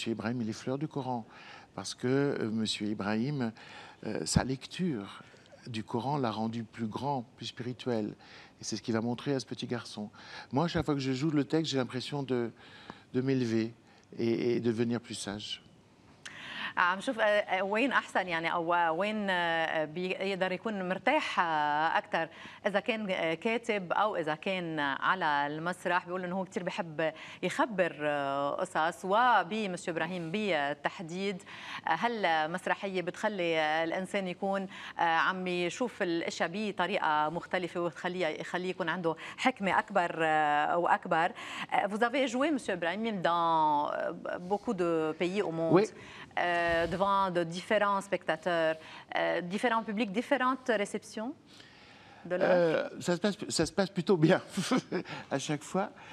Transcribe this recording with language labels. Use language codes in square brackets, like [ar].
[fr] Ibrahim et les fleurs du Coran. Parce que M. Ibrahim, sa lecture, du Coran l'a rendu plus grand, plus spirituel. Et c'est ce qu'il va montrer à ce petit garçon. Moi, à chaque fois que je joue le texte, j'ai l'impression de m'élever et de devenir plus sage. [ar] عم شوف وين أحسن يعني أو وين بيقدر يكون مرتاح أكثر إذا كان كاتب أو إذا كان على المسرح. بيقول إنه هو كتير بحب يخبر قصص ومسيو إبراهيم بالتحديد هالمسرحية بتخلي الإنسان يكون عم يشوف الأشياء بطريقة مختلفة وتخليه يكون عنده حكمة أكبر وأكبر. [fr] Vous avez joué Monsieur Ibrahim dans beaucoup de pays au monde. Devant de différents spectateurs, différents publics, différentes réceptions de l'œuvre. Ça se passe plutôt bien à chaque fois.